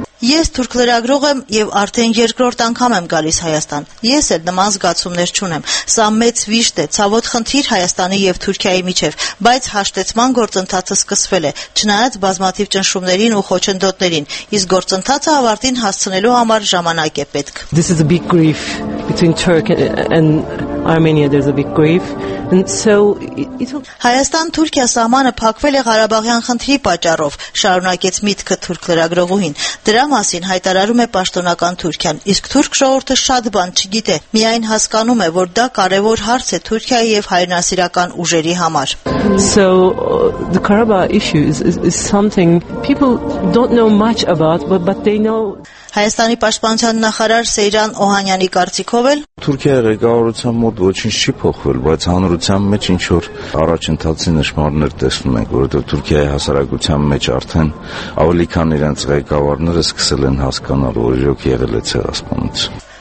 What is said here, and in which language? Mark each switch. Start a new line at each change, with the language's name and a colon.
Armenian: Ես թուրք լրագրող եմ և արդեն երկրորդ անգամ եմ գալիս Հայաստան։ Ես էլ նման զգացումներ չունեմ։ Սա մեծ վիշտ է, ցավոտ խնդիր Հայաստանի և Թուրքիայի միջև, բայց հաշտեցման գործընթացը սկսվել է, չնայած բազմաթիվ ճնշումներին ու խոչընդոտներին, իսկ գործընթացը ավարտին հասցնելու համար ժամանակ է պետք։
English: This is a big grief between Turkey and Armenia. There's a big grief.
Armenian: Հայաստան-Թուրքիա սահմանը փակվել է Ղարաբաղյան խնդրի պատճառով, շարունակեց միտքը թուրք լրագրողուհին։ Դրա մասին հայտարարում է պաշտոնական Թուրքիան, իսկ թուրք ժողովուրդը շատ բան չգիտե, միայն հասկանում է, որ դա կարևոր հարց է Թուրքիայի և հայրենասիրական ուժերի համար։
English: So the Karabakh issue is something people don't know much about, but they know.
Armenian: Հայաստանի պաշտպանության նախարար Սեյրան Օհանյանի կարծիքով էլ Թուրքիայի ղեկավարության մոտ ոչինչ չի փոխվել, բայց հանրության մեջ ինչ որ առաջընթացի նշմարներ տեսնում ենք, որովհետև Թուրքիայի հասարակության մեջ արդեն ավելի քան իրենց ղեկավարները սկսել են հասկանալ, որ իրոք եղել է ցեղասպանություն։